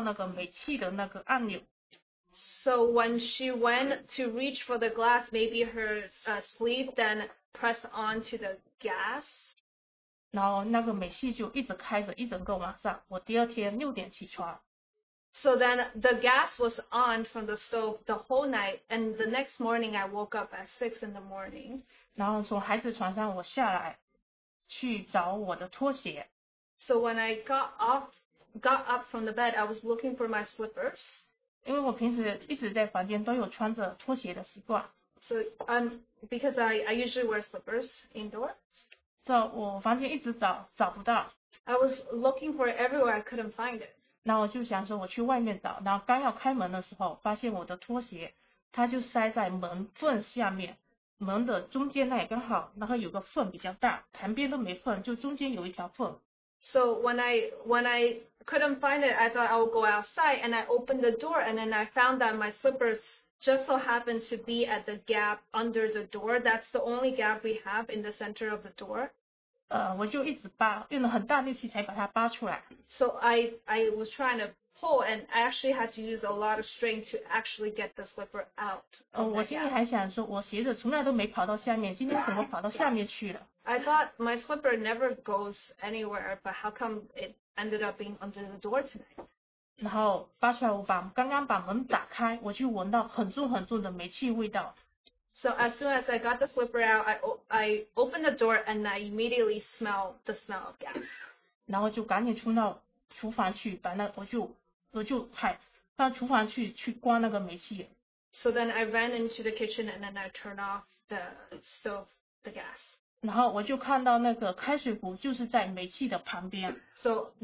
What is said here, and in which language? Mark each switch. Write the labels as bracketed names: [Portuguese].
[Chinese] 然后可能去拿的时候，把睡袍那个袖子碰到那个煤气的那个按钮。 [English] So when she went to reach for the glass, maybe her sleeve then pressed onto the gas. [Chinese] 然后那个煤气就一直开着，一整个晚上。我第二天6点起床。 [English] So then the gas was on from the stove the whole night, and the next morning I woke up at 6 in the morning. [Chinese] 然后从孩子床上我下来，去找我的拖鞋。 [English] So when I got up from the bed, I was looking for my slippers. [Chinese] 因为我平时一直在房间都有穿着拖鞋的习惯。 [English] So because I usually wear slippers indoors. [Chinese] 在我房间一直找，找不到。 [English] I was looking for it everywhere, I couldn't find it. [Chinese] 然后我就想说我去外面找，然后刚要开门的时候，发现我的拖鞋它就塞在门缝下面，门的中间那也刚好，然后有个缝比较大，旁边都没缝，就中间有一条缝。 [English] So when I couldn't find it, I thought I would go outside, and I opened the door, and then I found that my slippers just so happened to be at the gap under the door. That's the only gap we have in the center of the door. [Chinese] 我就一直扒，用了很大力气才把它扒出来。 [English] So I was trying to pull, and I actually had to use a lot of strength to actually get the slipper out. [Chinese] 我心里还想说，我鞋子从来都没跑到下面，今天怎么跑到下面去了？ [English] I thought my slipper never goes anywhere, but how come it ended up being under the door tonight? [Chinese] 然后扒出来，我刚刚把门打开，我就闻到很重很重的煤气味道。 [English] So as soon as I got the slipper out, I opened the door and I immediately smelled the smell of gas. [Chinese] 然后就赶紧冲到厨房去，把那我就踩到厨房去关那个煤气。 [English] So then I ran into the kitchen and then I turned off the stove, the gas. [Chinese] 然后我就看到那个开水壶就是在煤气的旁边。 [English] So